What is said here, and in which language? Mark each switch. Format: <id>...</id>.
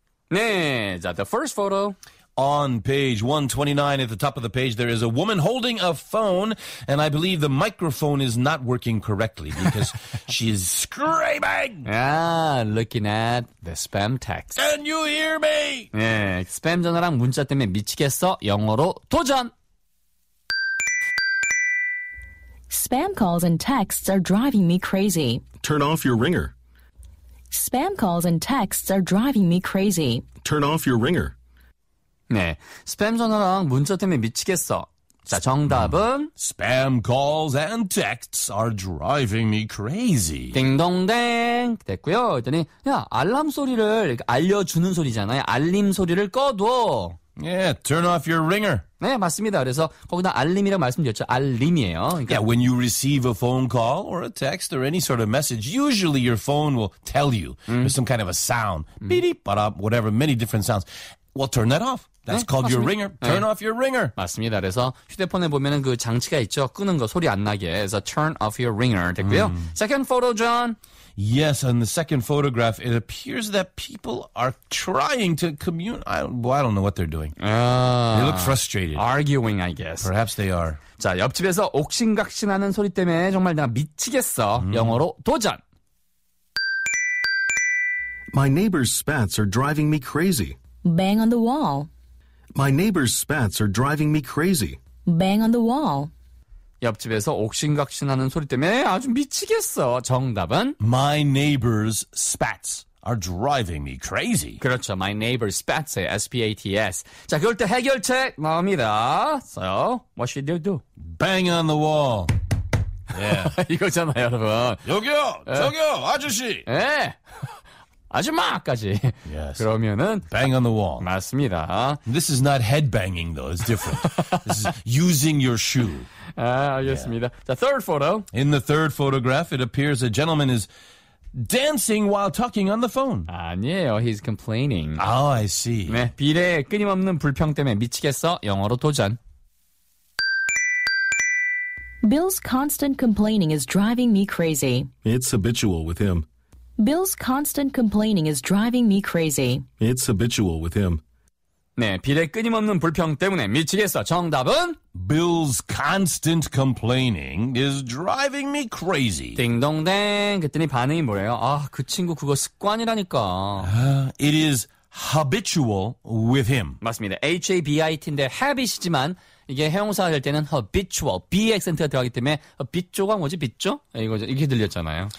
<ko>네, 자,</ko> <en>the first photo. On page 129 at the top of the page, there is a woman holding a phone, and I believe the microphone is not working correctly because she's screaming. Ah, looking at the spam text. Can you hear me?</en> <ko>네, 스팸 전화랑 문자 때문에 미치겠어. 영어로 도전.</ko> <en>Spam calls and texts are driving me crazy. Turn off your ringer. Spam calls and texts are driving me crazy. Turn off your ringer.</en> <ko>네, 스팸 전화랑 문자 때문에 미치겠어. 자, 정답은</ko> <en>Spam calls and texts are driving me crazy.</en> <ko>띵동댕 됐고요. 그랬더니 야, 알람 소리를 알려주는 소리잖아요. 알림 소리를 꺼둬.</ko> <en>Yeah, turn off your ringer.</en> <ko>네, 맞습니다. 그래서 거기다 알림이라고 말씀드렸죠. 알림이에요. 그러니까</ko> <en>yeah, when you receive a phone call or a text or any sort of message, usually your phone will tell you there's some kind of a sound. Beep, ba-da, whatever, many different sounds. Well, turn that off. That's</en> <ko>네,</ko> <en>called</en> <ko>맞습니다.</ko> <en>your ringer. Turn</en> <ko>네.</ko> <en>off your ringer.</en> <ko>맞습니다. 그래서 휴대폰에 보면 그 장치가 있죠. 끄는 거 소리 안 나게. 그래서</ko> <en>turn off your ringer</en> <ko>됐고요.</ko> <en>Second photo, John. Yes, in the second photograph, it appears that people are trying to I don't know what they're doing. They look frustrated. Arguing, I guess. Perhaps they are.</en> <ko>자, 옆집에서 옥신각신하는 소리 때문에 정말 내가 미치겠어. 영어로 도전.</ko> <en>My neighbor's spats are driving me crazy. Bang on the wall. My neighbor's spats are driving me crazy. Bang on the wall.</en> <ko>옆집에서 옥신각신하는 소리 때문에 아주 미치겠어. 정답은</ko> <en>My neighbor's spats are driving me crazy.</en> <ko>그렇죠.</ko> <en>My neighbor's spats, S-P-A-T-S.</en> <ko>자, 그럴 때 해결책 나옵니다.</ko> <en>So, what should you do? Bang on the wall. Yeah.</en> <ko>이거잖아요, 여러분. 여기요, 저기요, 아저씨. 예. 네. 아줌마까지.</ko> <en>Yes.</en> <ko>그러면은</ko> <en>bang on the wall.</en> <ko>맞습니다.</ko> <en>This is not head banging though. It's different. This is using your shoe.</en> <ko>아, 알겠습니다.</ko> <en>Yeah.</en> <ko>자,</ko> <en>third photo. In the third photograph, it appears a gentleman is dancing while talking on the phone.</en> <ko>아니에요.</ko> <en>He's complaining. Oh, I see.</en> <ko>네, 비례 끊임없는 불평 때문에 미치겠어. 영어로 도전.</ko> <en>Bill's constant complaining is driving me crazy. It's habitual with him. Bill's constant complaining is driving me crazy. It's habitual with him.</en> <ko>네, 빌의 끊임없는 불평 때문에 미치겠어. 정답은</ko> <en>Bill's constant complaining is driving me crazy.</en> <ko>딩동댕. 그랬더니 반응이 뭐예요? 아, 그 친구 그거 습관이라니까.</ko> <en>It is habitual with him.</en> <ko>맞습니다. H-A-B-I-T인데 habit이지만 이게 형용사가 될 때는 habitual, B 액센트가 들어가기 때문에 habitual가 뭐지, 빚죠? 이거죠. 이렇게 들렸잖아요.</ko>